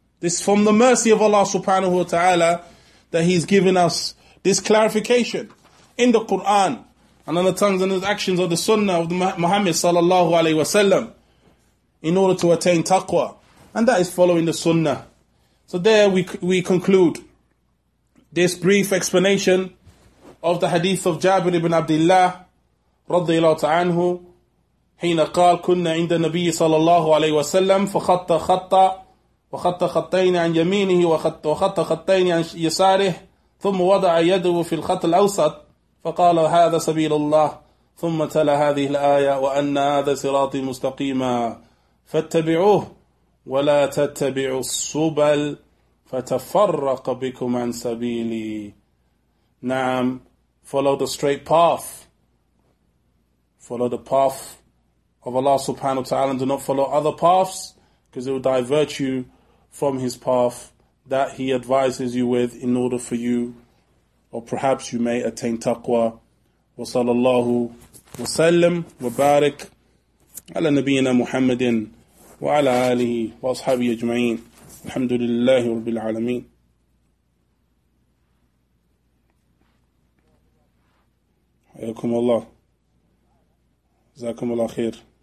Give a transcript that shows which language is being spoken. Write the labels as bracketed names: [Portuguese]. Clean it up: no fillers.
[English] This is from the mercy of Allah subhanahu wa ta'ala that He's given us this clarification in the Quran and on the tongues and the actions of the sunnah of the Muhammad sallallahu alayhi wa sallam in order to attain taqwa. And that is following the sunnah. So there we conclude this brief explanation of the hadith of Jabir ibn Abdullah radiyallahu ta'ala anhu, [Arabic] حين قال كنا عند النبي صلى الله عليه وسلم فخط خط وخط خطين عن يمينه وخط خطين عن يساره ثم وضع يده في الخط الأوسط فقال هذا سبيل الله ثم تلا هذه الآية وأن هذا صراطي مستقيما فاتبعوه ولا تتبعوا السبل فتفرق بكم عن سبيلي. [English] نعم, follow the straight path. Follow the path of Allah subhanahu wa ta'ala and do not follow other paths, because it will divert you from His path that He advises you with in order for you, or perhaps you may attain taqwa. [Arabic] Wa sallallahu wa sallam wa barik ala nabiyyina Muhammadin وعلى آله وأصحابه أجمعين الحمد لله رب العالمين. حياكم الله, جزاكم الله خير.